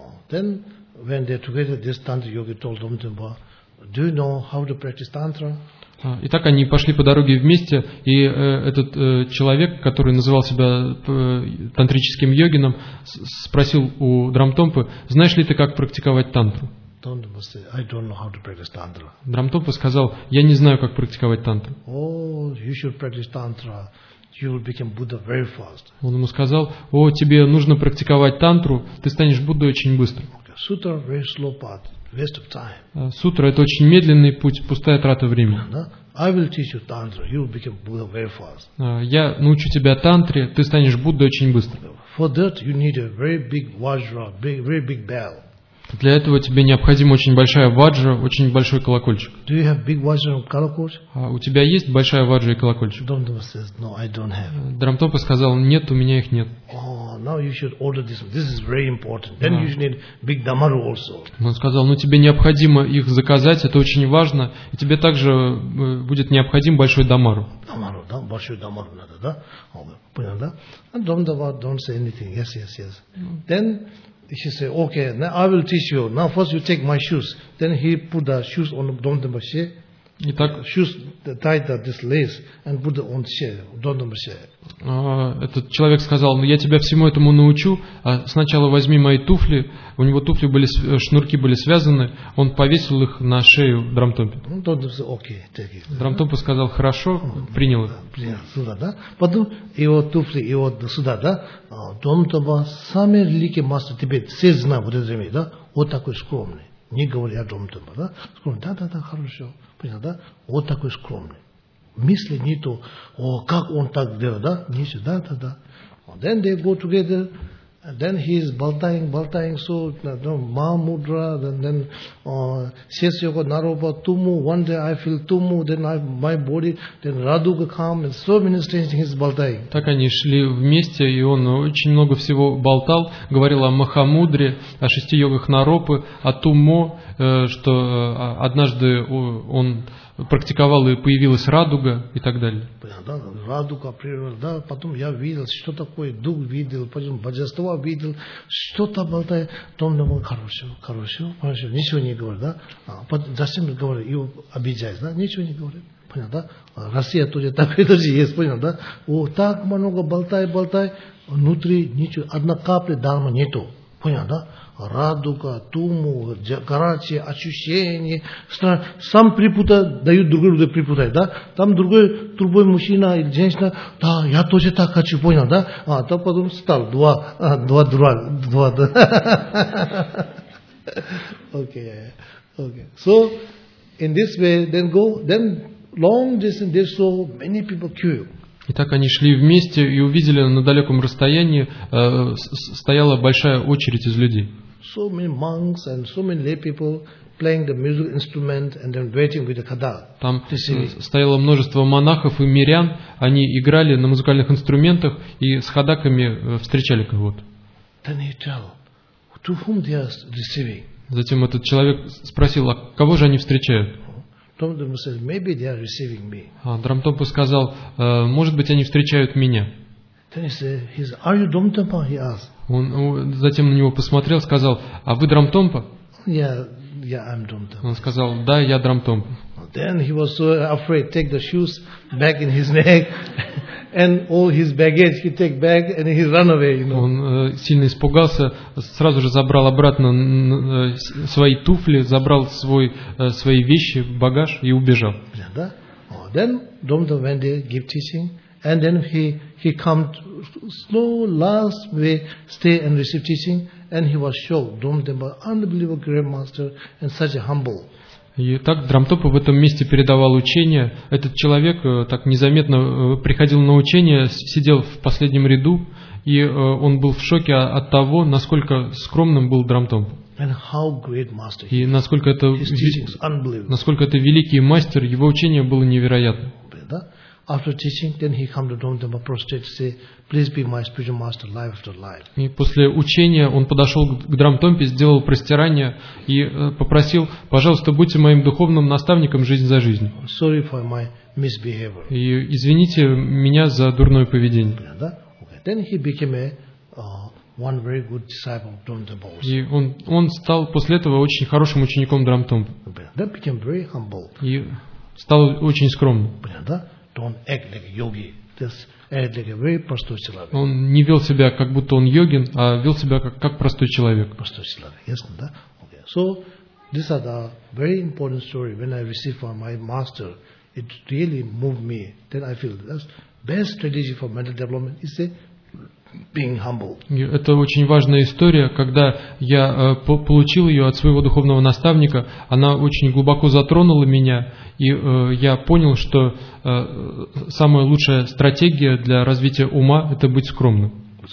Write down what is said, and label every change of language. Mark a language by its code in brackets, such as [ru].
[en] Then when they together, this tantric yogi told Dromtompa, "Do you know how to practice tantra?" [ru] Итак, они пошли по дороге вместе, и этот человек, который называл себя тантрическим йогином, спросил у Драмтомпы: "Знаешь ли ты, как практиковать тантру?" [en] I don't know how to practice tantra. [ru] Драмтомпа сказал: "Я не знаю, как практиковать тантру." [en] Oh, you should practice tantra. You will become Buddha very fast. [ru] Он ему сказал: "О, тебе нужно практиковать тантру, ты станешь Буддой очень быстро." [en] Okay. Sutra very slow path, waste of time. [ru] Сутра — это очень медленный путь, пустая трата времени. [en] I will teach you tantra. You will become Buddha very fast. [ru] Я научу тебя тантре, ты станешь Буддой очень быстро. [en] For that you need a very big vajra, very big bell. [ru] Для этого тебе необходима очень большая ваджра, очень большой колокольчик. [en] Do you have big vajra and colokolchik? [ru] А у тебя есть большая ваджра и колокольчик? [en] Dromtompa says, no, I don't have. [ru] Драмтомпа сказал: "Нет, у меня их нет." [en] Oh, now you should order this. This is very important. Then you need big damaru also. [ru] Он сказал: "Ну, тебе необходимо их заказать, это очень важно, и тебе также будет необходим большой дамару." Дамару, да, большой дамару надо, да? Понял, да? [en] And Dromtompa don't say anything. Yes, yes, yes. Then he said, "Okay, now I will teach you. Now first you take my shoes." Then he put the shoes on Dromtompa's shoe. [ru] Итак, [en] shoes tied that this lace and put on shoe Dromtompa's shoe. [ru] Этот человек сказал: "Ну, я тебя всему этому научу. А сначала возьми мои туфли." У него туфли были, шнурки были связаны. Он повесил их на шею Драмтомпе. Dromtompa said, "Okay, take it." Драмтомпа сказал: "Хорошо, принял их." Принял сюда, да? Потом его туфли и вот сюда, да? Dromtompa, самый великий мастер Тибет, все знают вот это время, да? Вот такой скромный. Не говоря о Dromtompa, да? Скромный, да-да-да, хорошо. Понял, да? Вот такой скромный. Мысли не то, о, как он так делал, да? Не сюда, да-да. [en] Then they go together And then he is baltaing, so ma mudra, then sesyoko naropa tumu, one day I feel tumu, then I, my body, then raduga come, and so many strange things he is baltaing. [ru] Так они шли вместе, и он очень много всего болтал, говорил о Махамудре, о шести йогах наропы, о тумо, что однажды он практиковал, и появилась радуга, и так далее. Да, радуга, природа, да, потом я видел, что такое, дух видел, потом божество видел, что-то болтает, потом думал, хорошо, ничего не говорю, да, зачем говорю, его обижаюсь, да, ничего не говорю, понял, да, Россия тоже такой есть, понял, да, о, так много болтай, внутри ничего, одна капля дама нету, понял, да, радуга, туму, горячие ощущения, сам припутал, дают другой люди припутать, да? Там другой мужчина или женщина, да, я тоже так хочу, понял, да? А то потом стал два. Окей. [en] So in this way, then go, then long distance, they saw many people queue. [ru] Итак, они шли вместе и увидели на далеком расстоянии стояла большая очередь из людей. [en] So many monks and so many lay people playing the musical instrument and then waiting with the kadal. [ru] Там стояло множество монахов и мирян, они играли на музыкальных инструментах и с хадаками встречали кого-то. [en] Then he tell, to whom they are receiving. [ru] Затем этот человек спросил, а кого же они встречают? [en] Трамтопа said, maybe they are receiving me. [ru] А Драмтопа сказал, может быть, они встречают меня. [en] Then he said, are you Dramtompa? He asked. [ru] Он затем на него посмотрел, сказал, а вы Драмтомпа? [en] Yeah, I'm Dramtompa. [ru] Он сказал, да, я Драмтомпа. [en] Then he was so afraid, take the shoes back in his neck, and all his baggage he take back, and he run away, you know. [ru] Он сильно испугался, сразу же забрал обратно свои туфли, забрал свои вещи, багаж и убежал. [en] Yeah, да? Oh, then Dramtompa went there, give teaching. And then he come slow last way stay and receive teaching, and he was shocked. Dramtompa, unbelievable great master, and such a humble. [ru] И так Драмтопа в этом месте передавал учение. Этот человек так незаметно приходил на учение, сидел в последнем ряду, и он был в шоке от того, насколько скромным был Драмтопа. [en] And how great master. [ru] И насколько это [en] unbelievable. [ru] Насколько это великий мастер, его учение было невероятно. [en] After teaching, then he come to Dramtompa prostrate, say, "Please be my spiritual master, life after life." [ru] И после учения он подошел к Драмтомпе, сделал простирание и попросил, пожалуйста, будьте моим духовным наставником жизнь за жизнь. [en] Sorry for my misbehavior. [ru] И извините меня за дурное поведение. [en] Then he became one very good disciple of Dramtompa. [ru] И он стал после этого очень хорошим учеником Драмтомпы. [en] Then became very humble. [ru] И стал очень скромным. [en] Don't act like a yogi. Just act like a very [ru] простой человек. Он не вел себя как будто он йогин, а вел себя как простой человек. Простой человек, ясно, да? [en] Okay. So these are the very important story. When I receive from my master, it really moved me. Then I feel that's best strategy for mental development is being humble. [ru] Это очень важная история, когда я получил ее от своего духовного наставника, она очень глубоко затронула меня, и я понял, что самая лучшая стратегия для развития ума – это быть скромным.